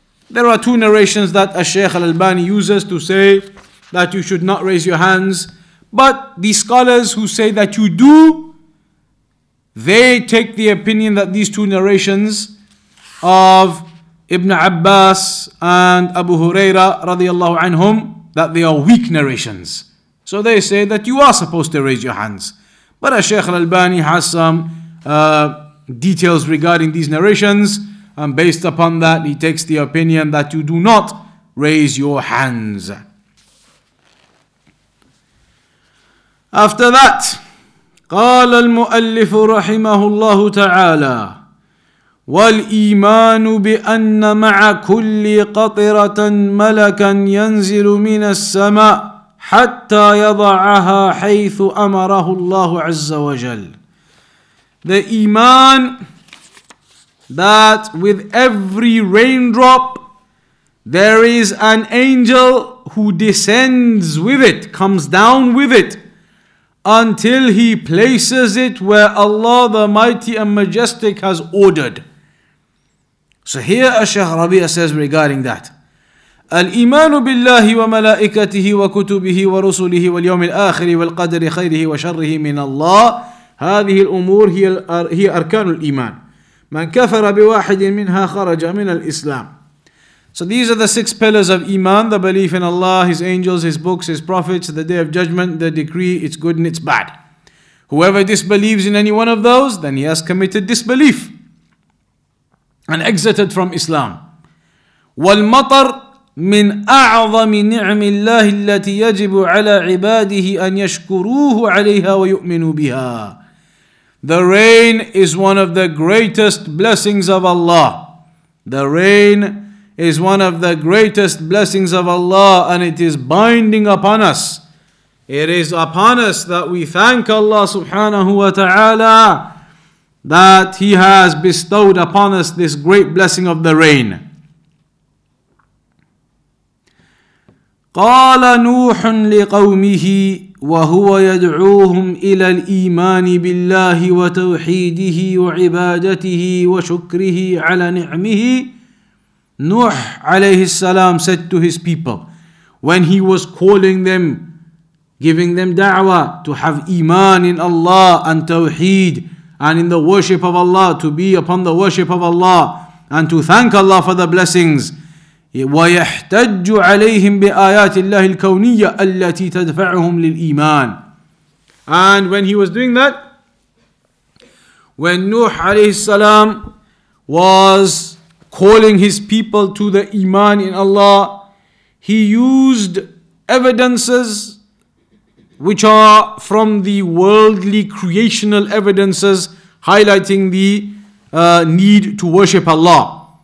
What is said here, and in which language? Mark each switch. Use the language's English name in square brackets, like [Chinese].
[English] There are two narrations that al-Shaykh al-Albani uses to say that you should not raise your hands, but the scholars who say that you do, they take the opinion that these two narrations of Ibn Abbas and Abu Hurairah radiallahu anhum, that they are weak narrations. So they say that you are supposed to raise your hands. But Shaykh al-Albani has some details regarding these narrations, and based upon that, he takes the opinion that you do not raise your hands. After that, [Arabic] قال المؤلف رحمه الله تعالى والإيمان بأن مع كل قطرة ملكا ينزل من السماء حتى يضعها حيث أمره الله عز وجل. [English] The iman that with every raindrop there is an angel who descends with it, comes down with it, until he places it where Allah the Mighty and Majestic has ordered. So here Ash-Shaykh Rabi'a says regarding that, [Arabic] الإيمان بالله وملائكته وكتبه ورسله واليوم الآخر والقدر خيره وشره من الله, هذه الأمور هي أركان الإيمان, من كفر بواحد منها خرج من الإسلام. [English] So these are the six pillars of iman: the belief in Allah, His angels, His books, His prophets, the day of judgment, the decree, its good and its bad. Whoever disbelieves in any one of those, then he has committed disbelief and exited from Islam. [Arabic] والمطر من أعظم نعم الله التي يجب على عباده أن يشكروه عليها ويؤمنوا بها. [English] The rain is one of the greatest blessings of Allah. The rain is one of the greatest blessings of Allah, and it is binding upon us. It is upon us that we thank Allah subhanahu wa ta'ala that He has bestowed upon us this great blessing of the rain. [Arabic] قال نوح لقومه وهو يدعوهم إلى الإيمان بالله وتوحيده وعبادته وشكره على نعمه. [English] نوح عليه السلام said to his people when he was calling them, giving them da'wah to have iman in Allah and tawheed and in the worship of Allah, to be upon the worship of Allah and to thank Allah for the blessings. [Arabic] ويحتج عليهم بآيات الله الكونية التي تدفعهم للإيمان. [English] And when he was doing that, when Nuh عليه السلام was calling his people to the iman in Allah, he used evidences which are from the worldly creational evidences, highlighting the need to worship Allah.